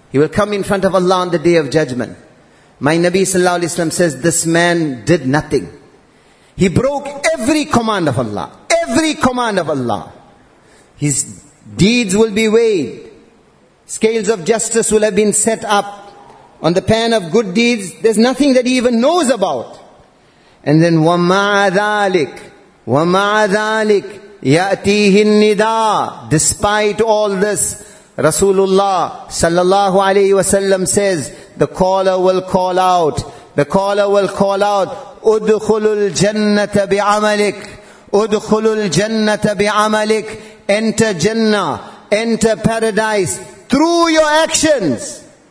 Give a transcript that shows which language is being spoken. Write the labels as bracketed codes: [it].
[en] He will come in front of Allah on the day of judgment. My Nabi sallallahu alaihi wasallam says, this man did nothing. He broke every command of Allah. Every command of Allah. His deeds will be weighed. Scales of justice will have been set up. On the pan of good deeds, there's nothing that he even knows about. And then, [ar] وَمَعَ ذَلِكْ يَأْتِيهِ النِّدَى. [en] Despite all this, Rasulullah sallallahu alayhi wa sallam says, the caller will call out. The caller will call out, [ar] اُدْخُلُ الْجَنَّةَ بِعَمَلِكْ. اُدْخُلُ الْجَنَّةَ بِعَمَلِكْ. [en] Enter Jannah, enter paradise through your actions.